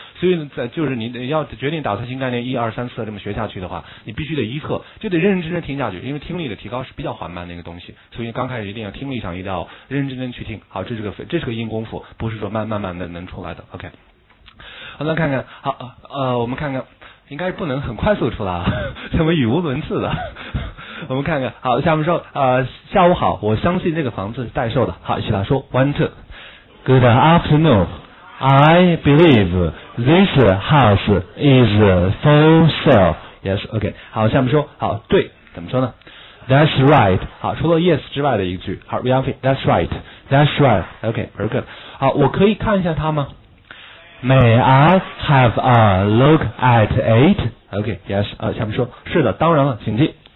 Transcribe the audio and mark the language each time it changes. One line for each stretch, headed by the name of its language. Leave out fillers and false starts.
Chinese: 所以在就是你要决定打算新概念一二三次这么学下去的话，你必须得一课就得认认真真听下去，因为听力的提高是比较缓慢的一个东西，所以刚开始一定要听力上一定要认认真真去听。好，这是个硬功夫，不是说慢慢的能出来的。
English: OK,
Chinese: 好，那看看，好，我们看看，应该是不能很快速出来，怎么语无伦次的？我们看看，好，下面说，下午好，我相信这个房子是待售的。好，起来说 ，
English: One two, Good afternoon, I believe this house is for sale. Yes, OK.
Chinese: 好，下面说，好，对，怎么说呢
English: ？That's right.
Chinese: 好，除了
English: Yes
Chinese: 之外的一句，好
English: ，We have it. That's right. That's right. OK, very good.
Chinese: 好，我可以看一下它吗
English: ？May I have a look at it? OK, Yes.
Chinese: 下面说，是的，当然了，请进。